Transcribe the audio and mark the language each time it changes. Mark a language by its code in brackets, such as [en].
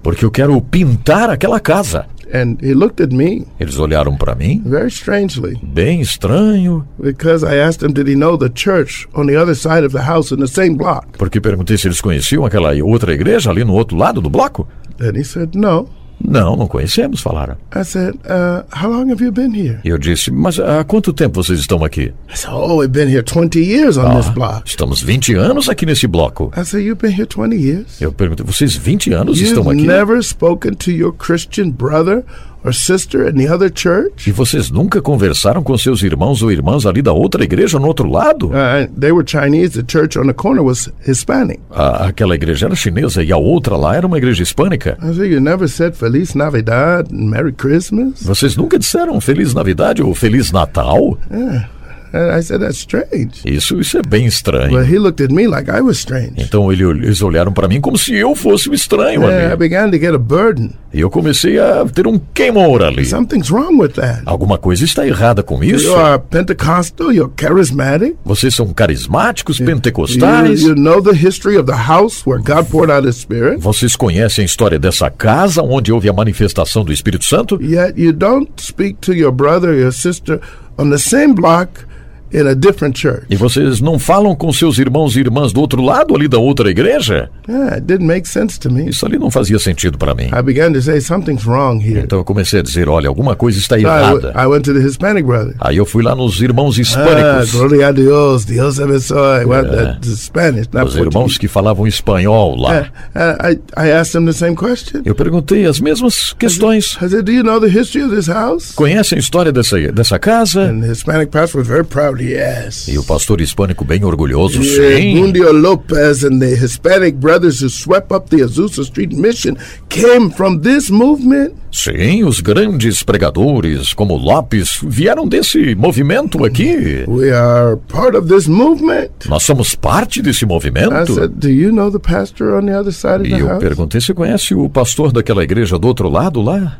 [pt] Porque eu quero pintar aquela casa. [en] And he looked at me. [pt] Eles olharam para mim. [en] Very strangely. [pt] Bem estranho. [en] Because I asked him, did he know the church on the other side of the house in the same block? [pt] Porque perguntei se eles conheciam aquela outra igreja ali no outro lado do bloco. [en] And he said, no. [pt] Não, não conhecemos, falaram. [en] I said, how long have you been here? [pt] E eu disse, mas há quanto tempo vocês estão aqui? [en] I said, oh, we've been here 20 years on this block. [pt] Estamos 20 anos aqui nesse bloco. [en] I said, you've been here 20 years? [pt] Eu perguntei, vocês 20 anos [en] you've [pt] estão aqui? [en] You've never spoken to your Christian brother or sister in the other church? [pt] E vocês nunca conversaram com seus irmãos ou irmãs ali da outra igreja no outro lado? [en] They were Chinese, the church on the corner was Hispanic. [pt] Aquela igreja era chinesa e a outra lá era uma igreja hispânica. [en] I said, you never said [es] Feliz Navidad [en] and Merry Christmas? [pt] Vocês nunca disseram Feliz Navidade ou Feliz Natal? [en] And I said, that's strange. [pt] Isso é bem estranho. [en] But he looked at me like I was strange. [pt] Então eles olharam para mim como se eu fosse o estranho ali. [en] I began to get a burden. [pt] E eu comecei a ter um queimor ali. [en] Something's wrong with that. [pt] Alguma coisa está errada com isso. [en] You are Pentecostal, you're charismatic. [pt] Vocês são carismáticos, pentecostais. [en] You know the history of the house where God poured out his spirit. [pt] Vocês conhecem a história dessa casa onde houve a manifestação do Espírito Santo? [en] Yet you don't speak to your brother or your sister on the same block. In a different church. [pt] E vocês não falam com seus irmãos e irmãs do outro lado, ali da outra igreja? [en] Yeah, it didn't make sense to me. [pt] Isso ali não fazia sentido para mim. [en] I began to say, something's wrong here. [pt] Então eu comecei a dizer, olha, alguma coisa está errada. [en] I went to the Hispanic brother. [pt] Aí eu fui lá nos irmãos hispânicos. Glória a Deus, Deus abençoe. Os irmãos que falavam espanhol lá. [en] I asked them the same question. [pt] Eu perguntei as mesmas questões. [en] I said, do you know the history of this house? [pt] Conhecem a história dessa casa? [en] And the Hispanic pastor was very proud. Yes. [pt] E o pastor hispânico bem orgulhoso, sim. [en] Mundio Lopez and the Hispanic brothers who swept up the Azusa Street Mission came from this movement. [pt] Sim, os grandes pregadores como Lopes vieram desse movimento aqui. [en] We are part of this movement. [pt] Nós somos parte desse movimento. [en] I said, do you know the pastor on the other side of the house? [pt] E eu perguntei, você conhece o pastor daquela igreja do outro lado lá?